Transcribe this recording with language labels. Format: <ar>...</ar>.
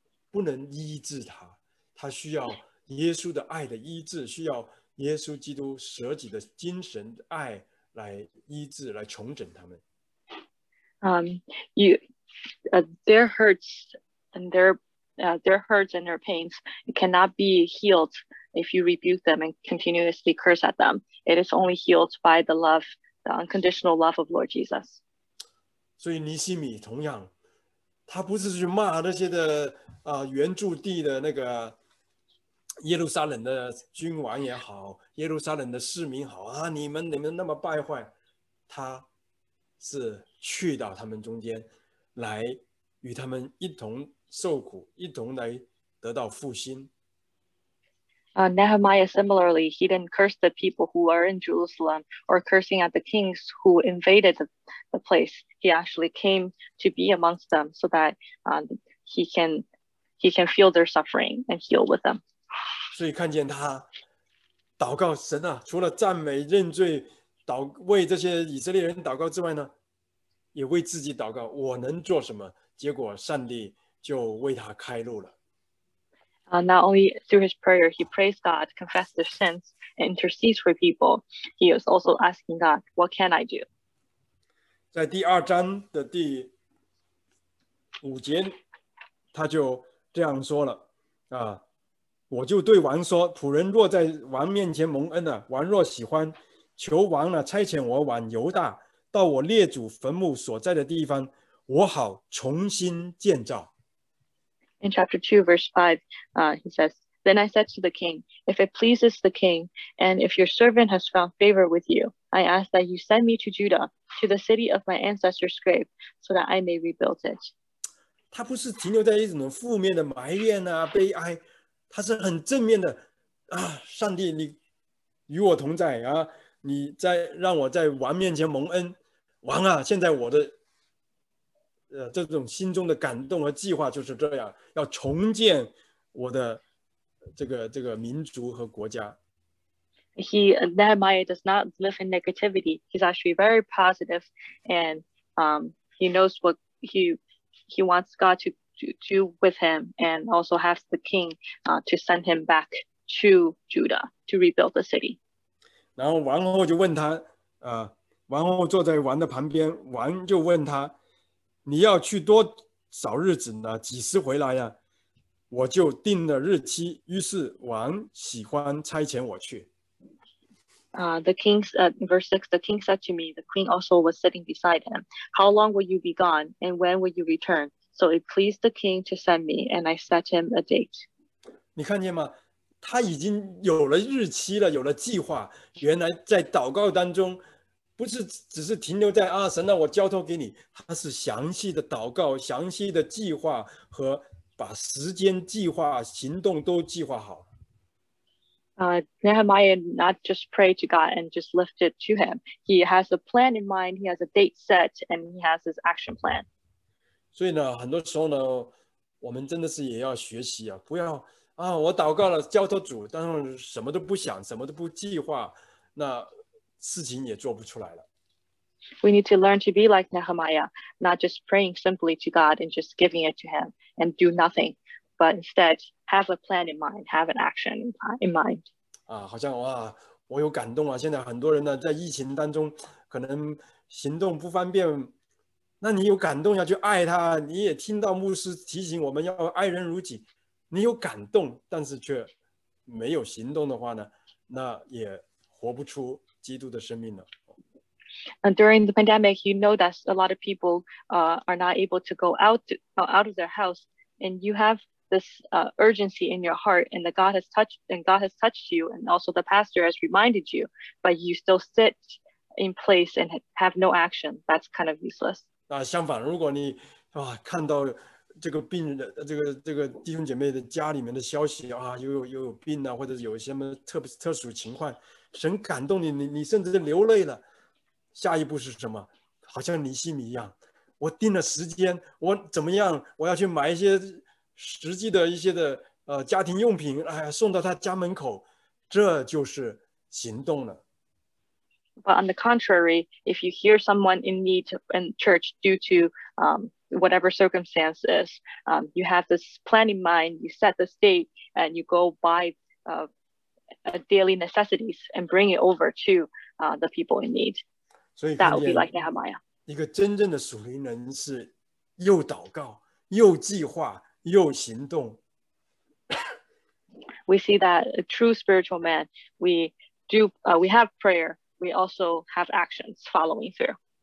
<zh>不能医治他，他需要耶稣的爱的医治，需要耶稣基督舍己的精神的爱来医治，来重整他们。</zh> <en>Their hurts and their hurts and their pains cannot be healed if you rebuke them and continuously curse at them. It is only healed by the love, the unconditional love of Lord Jesus.</en> <zh>所以尼西米同样，他不是去骂那些的。原住地的那个耶路撒冷的君王也好，耶路撒冷的市民好啊，你们那么败坏，他是去到他们中间来与他们一同受苦，一同来得到复兴。</zh> <en>Nehemiah similarly, he didn't curse the people who are in Jerusalem or cursing at the kings who invaded the place. He actually came to be amongst them so that he can feel their suffering and heal with them.</en> <zh>所以看见他祷告神啊，除了赞美认罪祷为这些以色列人祷告之外呢，也为自己祷告，我能做什么？结果上帝就为他开路了。</zh> <en>Not only through his prayer, he praised God, confessed his sins, and intercedes for people. He is also asking God, "What can I do?"</en> <zh>在第二章的第五节，他就这样说了，我就对王说，仆人若在王面前蒙恩了，王若喜欢，求王了差遣我往犹大，到我列祖坟墓所在的地方，我好重新建造。</zh> <en>In chapter 2, verse 5, he says, Then I said to the king, If it pleases the king, and if your servant has found favor with you, I ask that you send me to Judah, to the city of my ancestor's grave, so that I may rebuild it.</en> <zh>他不是停留在一种负面的埋怨啊悲哀，他是很正面的啊，上帝你与我同在啊，你在让我在王面前蒙恩，王啊，现在我的这种心中的感动和计划就是这样，要重建我的这个民族和国家。</zh> <en>He Nehemiah does not live in negativity. He's actually very positive, and he knows what he wants God to do with him and also has the king to send him back to Judah to rebuild the city.</en> <zh>然后王后就问他，王后坐在王的旁边，王就问他，你要去多少日子呢？几时回来呀？我就定了日期，于是王喜欢差遣我去。</zh> <en>The king's verse 6, the king said to me, the queen also was sitting beside him, How long will you be gone, and when will you return? So it pleased the king to send me, and I set him a date.</en> <zh>你看见吗？他已经有了日期了，有了计划。原来在祷告当中，不是只是停留在啊，神啊，我交托给你。他是详细的祷告，详细的计划和把时间计划、行动都计划好。</zh> <en>Nehemiah not just prayed to God and just left it to him. He has a plan in mind, he has a date set, and he has his action plan.</en> <zh>所以呢，很多时候呢，我们真的是也要学习啊，不要啊，我祷告了，交托主，但是什么都不想，什么都不计划，那事情也做不出来了。</zh> <en>We need to learn to be like Nehemiah, not just praying simply to God and just giving it to him and do nothing. But instead, have a plan in mind, have an action in mind.</en> <zh>好像哇，我有感动啊！现在很多人呢，在疫情当中，可能行动不方便，那你有感动要去爱他，你也听到牧师提醒我们要爱人如己，你有感动，但是却没有行动的话呢，那也活不出基督的生命了。</zh> <en>And during the pandemic, you know that a lot of people are not able to go out of their house, and you have this urgency in your heart, and God has touched you, and also the pastor has reminded you, but you still sit in place and have no action. That's kind of useless.</en> <zh>相反，如果你看到这个病人，这个弟兄姐妹的家里面的消息又有病啊，或者有一些什么特殊情况，神感动你，你甚至流泪了。下一步是什么？好像尼西米一样，我定了时间，我怎么样？我要去买一些实际的一些的家庭用品，送到他家门口，这就是行动了。</zh> <en>But on the contrary, if you hear someone in need in church due to whatever circumstances, you have this plan in mind, you set the date, and you go buy daily necessities and bring it over to the people in need.</en> <zh>所以</zh> <en>That would be like Nehemiah.</en> <zh>一个真正的属灵人是又祷告又计划又行动。</zh> <en>We see that a true spiritual man, we have prayer, we also have actions following through.</en>